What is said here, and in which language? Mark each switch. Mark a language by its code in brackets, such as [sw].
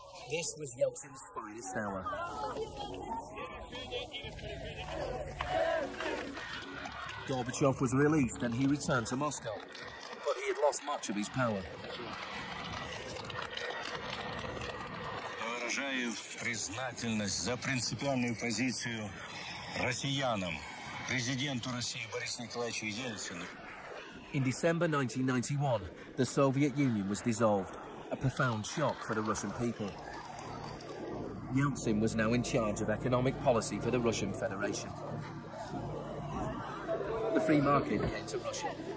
[en] This was Yeltsin's finest hour. Gorbachev was relieved and he returned to Moscow, but he had lost much of his power. [ru] Выражаю признательность за принципиальную позицию россиянам, президенту России Борису Николаевичу Ельцину. [en] In December 1991, the Soviet Union was dissolved, a profound shock for the Russian people. Yeltsin was now in charge of economic policy for the Russian Federation. The free market came to Russia.